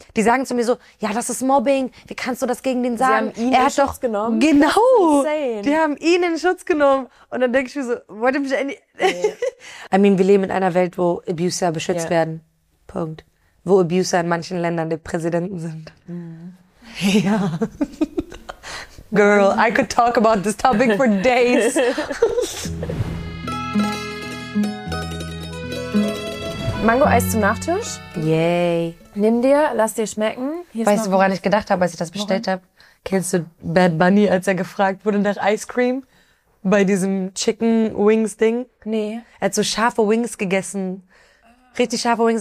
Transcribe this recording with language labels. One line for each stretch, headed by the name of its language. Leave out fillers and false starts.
German: Die sagen zu mir so, ja, das ist Mobbing. Wie kannst du das gegen den sagen? Sie haben ihn in Schutz genommen. Genau. Die haben ihn in Schutz genommen. Und dann denke ich mir so, wollt ihr mich
English: I mean,
German: wir leben in einer Welt, wo Abuser beschützt werden. Punkt. Wo Abuser in manchen Ländern die Präsidenten sind. Mhm. Ja.
English: Girl, I could talk about this topic for days.
German: Mango-Eis zum Nachtisch. Yay. Nimm dir, lass dir schmecken. Hier weißt du, woran ich gedacht habe, als ich das bestellt habe? Kennst du Bad Bunny, als er gefragt wurde nach Ice Cream? Bei diesem Chicken Wings Ding? Nee. Er hat so scharfe Wings gegessen. Richtig scharfe Wings.